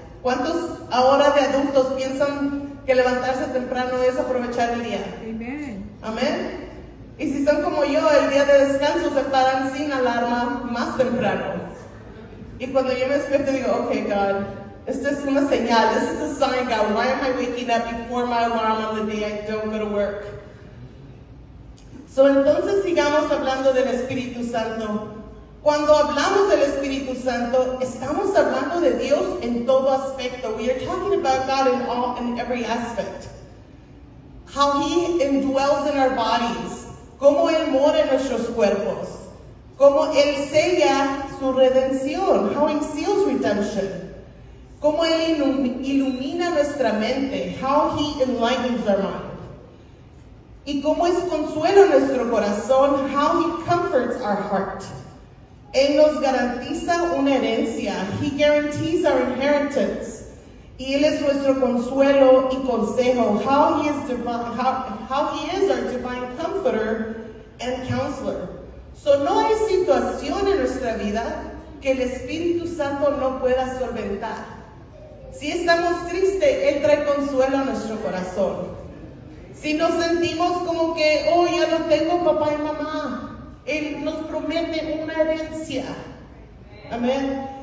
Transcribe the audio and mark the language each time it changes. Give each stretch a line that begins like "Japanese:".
Spanish: ¿Cuántos ahora de adultos piensan que levantarse temprano es aprovechar el día? Amén. Y si son como yo, el día de descanso se paran sin alarma más temprano. Y cuando yo me despierto digo, okay, God, esta es una señal.
English: This is a sign, God. Why am I waking up before my alarm on the day I don't go to work?
Spanish: So entonces sigamos hablando del Espíritu Santo. Cuando hablamos del Espíritu Santo, estamos hablando de Dios en todo aspecto.
English: We are talking about God in all and every aspect. How He indwells in our bodies.
Spanish: Cómo Él mora en nuestros cuerpos. Cómo Él sella su redención.
English: How He seals redemption.
Spanish: Cómo Él ilumina nuestra mente.
English: How He enlightens our mind.
Spanish: Y cómo es consuelo nuestro corazón.
English: How He comforts our heart.
Spanish: Él nos garantiza una herencia.
English: He guarantees our inheritance.
Spanish: Y Él es nuestro consuelo y consejo.
English: How he is our divine comforter and counselor.
Spanish: So no hay situación en nuestra vida que el Espíritu Santo no pueda solventar. Si estamos tristes, Él trae consuelo a nuestro corazón. Si nos sentimos como que, oh, ya no tengo papá y mamá, Él nos promete una herencia. Amén.